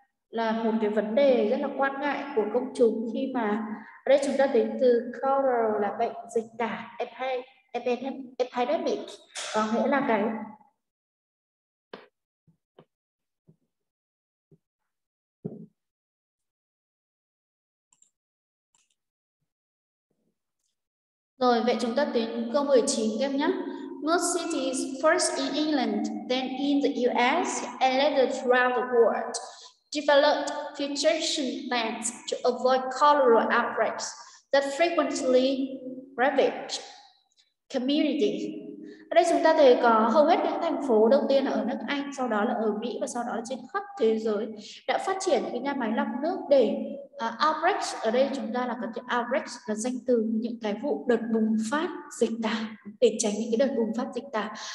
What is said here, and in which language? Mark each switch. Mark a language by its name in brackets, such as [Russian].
[Vietnamese] Là một cái vấn đề rất là quan ngại của công chúng khi mà ở đây chúng ta đến từ cholera là bệnh dịch tả, epidemic có nghĩa là cái rồi. Vậy chúng ta đến câu 19 em nhé. [English] Most cities first in England, then in the US and later throughout the world developed filtration plants to avoid cholera outbreaks that frequently ravaged community. [Vietnamese] Ở đây chúng ta thấy có hầu hết những thành phố đầu tiên ở nước Anh, sau đó là ở Mỹ và sau đó là trên khắp thế giới đã phát triển những nhà máy lọc nước để outbreaks, ở đây chúng ta là có chữ outbreaks là danh từ những cái vụ đợt bùng phát dịch tả, để tránh những cái đợt bùng phát dịch tả.